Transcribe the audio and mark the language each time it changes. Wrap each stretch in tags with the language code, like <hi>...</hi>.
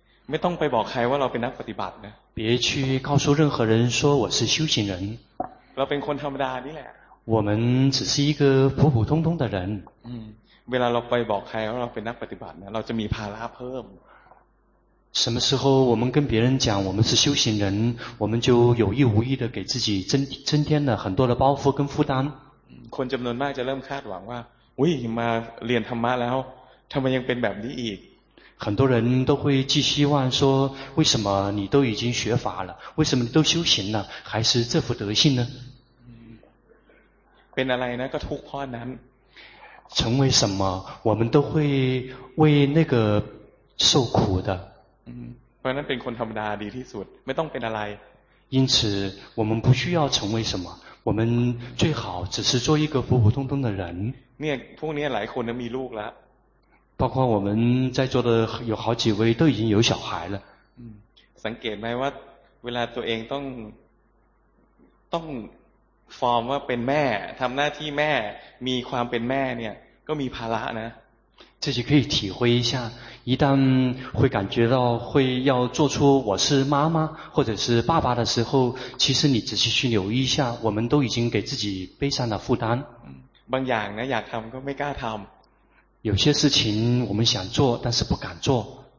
<th>ไม่ต้องไปบอกใครว่าเราเป็นนักปฏิบัตินะ</th> <zh>别去告诉任何人说我是修行人</zh> <th>เราเป็นคนธรรมดานี่แหละ</th> <zh>我们只是一个普普通通的人</zh> <th>เวลาเราไปบอกใครว่าเราเป็นนักปฏิบัติเนี่ยเราจะมีภาระเพิ่ม</th> <zh>什么时候我们跟别人讲我们是修行人我们就有意无意的给自己增添了很多的包袱跟负担</zh> <th>คนจำนวนมากจะเริ่มคาดหวังว่าอุ้ยมาเรียนธรรมะแล้วทำไมยังเป็นแบบนี้อีก</th> <zh>很多人都会寄希望说为什么你都已经学法了为什么你都修行了还是这副德性呢</zh> <th>เป็นอะไรนะก็ทุกข์เพราะนั้น</th> <zh>成为什么我们都会为那个受苦的</zh> <th>เพราะนั้นเป็นคนธรรมดาดีที่สุดไม่ต้องเป็นอะไร</th> <zh>因此我们不需要成为什么我们最好只是做一个普普通通的人</zh> <th>เนี่ยพวกนี้หลายคนมีลูกแล้ว</th> <zh>包括我们在座的有好几位都已经有小孩了</zh> <th>สังเกตไหมว่าเวลาตัวเองต้องฟอร์มว่าเป็นแม่ทำหน้าที่แม่มีความเป็นแม่เนี่ยก็มีภาระนะ</th> <zh>自己可以体会一下，一旦会感觉到会要做出我是妈妈或者是爸爸的时候，其实你仔细去留意一下，我们都已经给自己背上了负担。嗯，有些事情想做，但是不敢做。有些事情我们想做，但是不敢做。</zh>